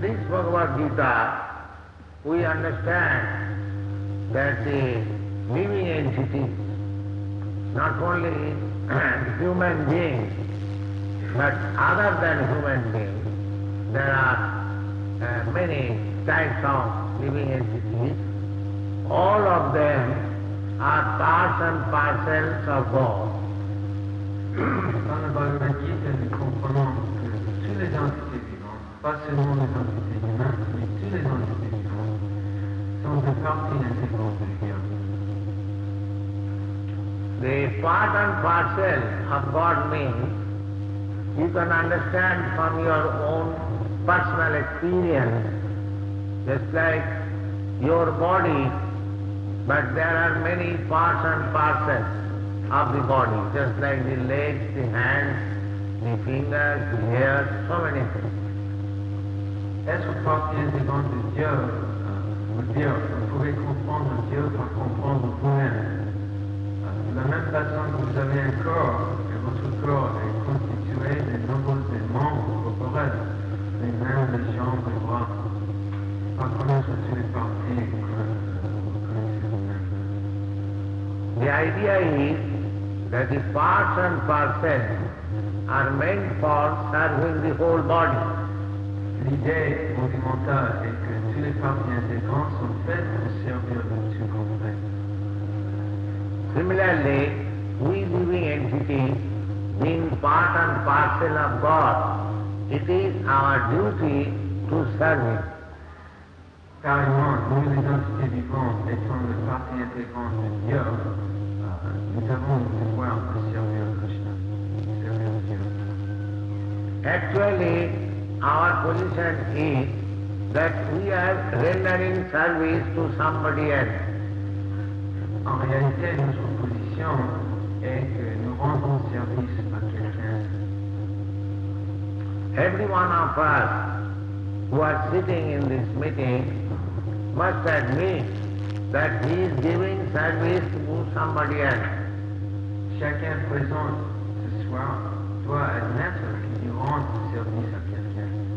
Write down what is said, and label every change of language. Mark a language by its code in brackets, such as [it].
[en] Bhagavad Gita, we understand that the living entities, not only human beings, but other than human beings, there are many types of living entities. All of them are parts and parcels of God. [fr] Dans la Bhagavad Gita, nous comprenons que toutes les entités vivantes, pas seulement les entités humaines, mais toutes les entités vivantes, sont des parties intégrantes de Dieu. [en] The part and parcel of God means you can understand from your own personal experience, just like your body, but there are many parts and parcels of the body, just like the legs, the hands, the fingers, the hair, so many things. [fr] Est-ce que partie intégrante de Dieu, vous dire, vous pouvez comprendre Dieu par comprendre vous-même. De la même façon que vous avez un corps, et votre corps est constitué de nombreux membres corporels, les mains, les jambes, les bras. Par connaître toutes les parties que vous connaissez vous-même. [en] The idea is that the parts and parcels are meant for serving the whole body. [fr] L'idée fondamentale est que toutes les parties intégrantes sont faites pour servir le tout complet. [en] Similarly, we living entities, being part and parcel of God, it is our duty to serve Him. [fr] Carrément, nous les entités vivantes, étant les parties intégrantes de Dieu, nous avons le devoir de servir Krishna, de servir Dieu. [en] Actually, our position is that we are rendering service to somebody else. [fr] En réalité, notre position est que nous rendons service à quelqu'un. [en] Every one of us who are sitting in this meeting must admit that he is giving service to somebody else. [fr] Chacun présent ce soir doit admettre qu'il rend service à quelqu'un.